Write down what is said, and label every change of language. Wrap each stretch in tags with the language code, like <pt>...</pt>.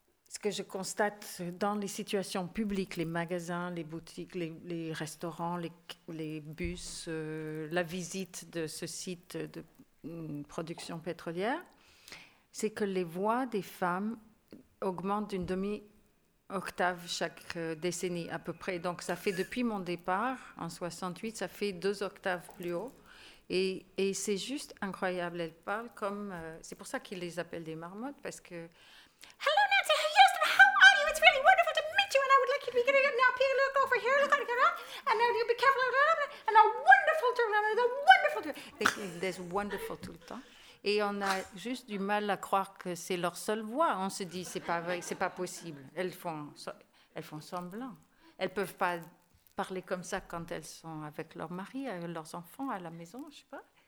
<fr>ce que je constate dans les situations publiques, les magasins, les boutiques, les restaurants, les bus, la visite de ce site de production pétrolière, c'est que les voix des femmes augmentent d'une demi-octave chaque décennie à peu près. Donc ça fait depuis mon départ, en 68, ça fait 2 octaves plus haut. Et c'est juste incroyable, elles parlent comme... c'est pour ça qu'ils les appellent des marmottes, parce que...</fr> <en>Hello Nancy, how are you? It's really wonderful to meet you and I would like you to be getting a nap here, look over here, look on here, and now you be careful, and a wonderful turn, and a wonderful turn. There's wonderful</en> <fr>tout le temps. Et on a juste du mal à croire que c'est leur seule voix. On se dit, c'est pas vrai, c'est pas possible. Elles font semblant. Elles peuvent pas parler comme ça quand elles sont avec leur mari, avec leurs enfants à la maison, je sais pas.</fr>